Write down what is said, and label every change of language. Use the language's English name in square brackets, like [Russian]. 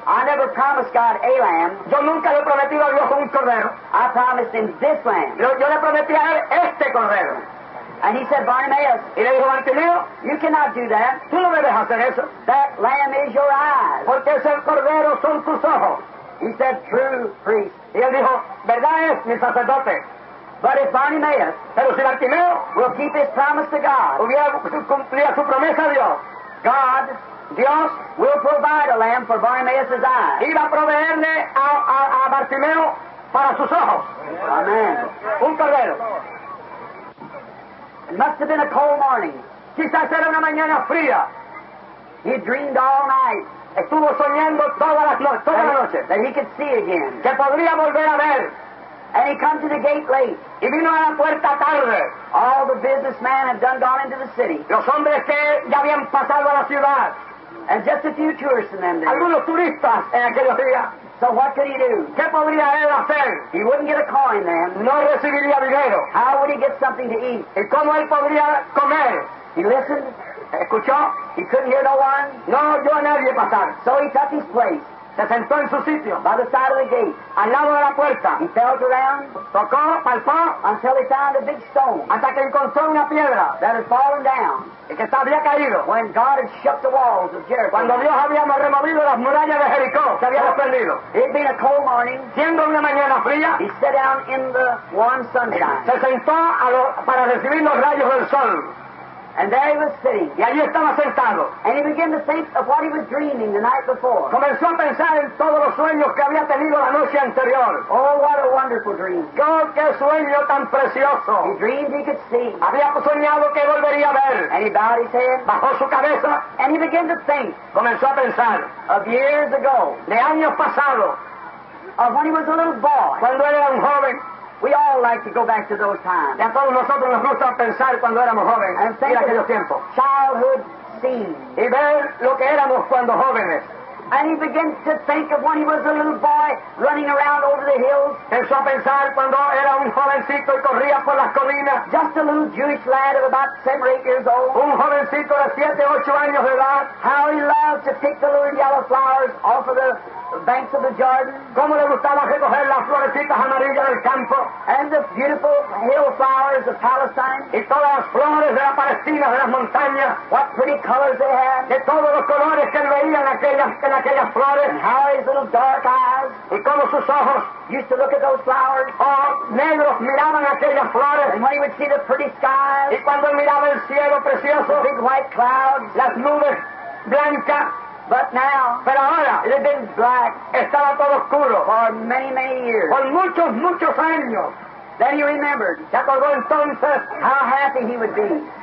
[English] I never promised God a lamb. [Spanish] Yo nunca le prometí a Dios un cordero. [English] I promised him this lamb. [Spanish] Yo le prometí a él este cordero. [English] And he said, Bartimaeus, [Spanish] y le dijo, Bartimeo, [English] you cannot do that. [Spanish] Tú no debes hacer eso. [English] That lamb is your eyes. [Spanish] Porque ese cordero son tus ojos. [English] He said, true priest. [Spanish] Y él dijo, verdad es, mi sacerdote. [English] But if Bartimaeus, [Spanish] pero si Bartimeo, [English] will keep his promise to God, [Spanish] hubiera cumplido su promesa a Dios, [English] God, [Spanish] Dios, [English] will provide a lamb for Bartimaeus' eyes. [Spanish] Iba a proveerle a Bartimeo para sus ojos. [English] Amen. [Spanish] Un cordero. [English] It must have been a cold morning. [Spanish] Quizás era una mañana fría. [English] He dreamed all night. [Spanish] Estuvo soñando toda la noche. [English] That he could see again. [Spanish] Que podría volver a ver. [English] And he come to the gate late. [Spanish] Y vino a la puerta tarde. [English] All the businessmen had done gone into the city. [Spanish] Los hombres que ya habían pasado a la ciudad. [English] And just a few tourists in them days. [Spanish] Algunos turistas en aquellos días. [English] So what could he do? [Spanish] ¿Qué podría él hacer? [English] He wouldn't get a coin then. [Spanish] No recibiría dinero. [English] How would he get something to eat? [Spanish] ¿Y cómo él podría comer? [English] He listened. [Spanish] ¿Escuchó? [English] He couldn't hear no one. [Spanish] No oyó a nadie pasar. [English] So he took his place. [Spanish] Se sentó en su sitio. [English] By the side of the gate. [Spanish] Al lado de la puerta. [English] He felt around. [Spanish] Tocó, palpó. [English] Until he found a big stone. [Spanish] Hasta que encontró una piedra. [English] That had fallen down. [Spanish] Y que había caído. [English] When God had shut the walls of Jericho. [Spanish] Cuando Dios había removido las murallas de Jericó. Se había desprendido. [English] It had been a cold morning. [Spanish] Siendo una mañana fría. [English] He sat down in the warm sunshine. [Spanish] Se sentó para recibir los rayos del sol. [English] And there he was sitting. [Spanish] Y allí estaba sentado. [English] And he began to think of what he was dreaming the night before. [Spanish] Comenzó a pensar en todos los sueños que había tenido la noche anterior. [English] Oh, what a wonderful dream. [Spanish] God, qué sueño tan precioso. [English] He dreamed he could see. [Spanish] Había soñado que volvería a ver. [English] And he bowed his head. [Spanish] Bajó su cabeza. [English] And he began to think. [Spanish] Comenzó a pensar. [English] Of years ago. [Spanish] De años pasados. [English] Of when he was a little boy. [Spanish] Cuando era un joven. [English] We all like to go back to those times. [Spanish] Y a todos nosotros nos gusta pensar cuando éramos jóvenes. [English] And think [Spanish] y aquellos tiempos. [English] Childhood scene. [Spanish] Y ver lo que éramos cuando jóvenes. [English] And he begins to think of when he was a little boy running around over the hills. [Spanish] Empezó a pensar cuando era un jovencito y corría por las colinas. [English] Just a little Jewish lad of about 7 or 8 years old. [Spanish] Un jovencito de 7 o 8 años de edad. [English] How he loved to pick the little yellow flowers off of the banks of the Jordan. [Spanish] Cómo le gustaba recoger las florecitas amarillas del campo. [English] And the beautiful hill flowers of Palestine. [Spanish] Y todas las flores de la Palestina, de las montañas. [English] What pretty colors they had. [Spanish] De todos los colores que veían aquellas flores. [English] And how his little dark eyes. [Spanish] Y cómo sus ojos. [English] Used to look at those flowers. [Spanish] Oh, negros miraban aquellas flores. [English] And when he would see the pretty skies. [Spanish] Y cuando miraba el cielo precioso. [English] The big white clouds. [Spanish] Las nubes blancas. [English] But now, [Spanish] pero ahora, [English] it had been black. [Spanish] Estaba todo oscuro. [English] For many, many years. [Spanish] Por muchos, muchos años. [English] Then he remembered. [Spanish] Se acordó entonces. [English] How happy he would be.